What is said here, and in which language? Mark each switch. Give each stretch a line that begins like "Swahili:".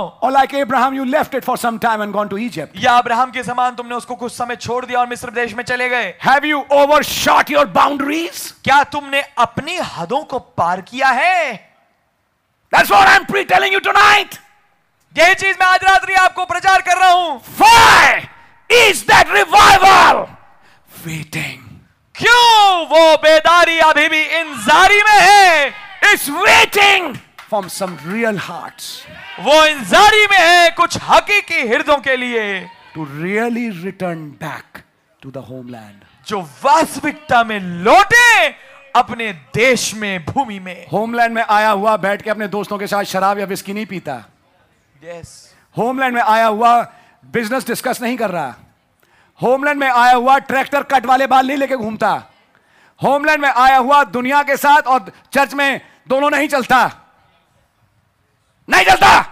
English: Or like Abraham, you left it for some time and gone to Egypt.
Hindi: या Abraham के समान तुमने उसको कुछ समय छोड़ दिया और मिस्र देश में चले गए.
English: Have you overshot your boundaries?
Hindi: क्या तुमने अपनी हदों को पार किया है?
English: That's what I'm pre-telling you tonight.
Hindi: यही चीज मैं आज रात्रि आपको प्रचार कर रहा हूँ.
English: Why? Is that revival waiting?
Hindi: क्यों वो बेदारी अभी भी इंतजारी में है?
English: It's waiting from some real hearts.
Hindi: वो इंतजारी में है कुछ हकीकी हृदयों के लिए.
English: To really return back to the homeland.
Hindi: जो वास्तविकता में लौटे अपने देश में, भूमि में. Homeland में आया हुआ बैठ के अपने दोस्तों के साथ शराब या विस्की नहीं पीता. Yes. Homeland में आया हुआ बिजनेस डिस्कस नहीं कर रहा. होमलैंड में आया हुआ ट्रैक्टर कट वाले बाल नहीं लेके घूमता, होमलैंड में आया हुआ दुनिया के साथ और चर्च में दोनों नहीं चलता, नहीं चलता।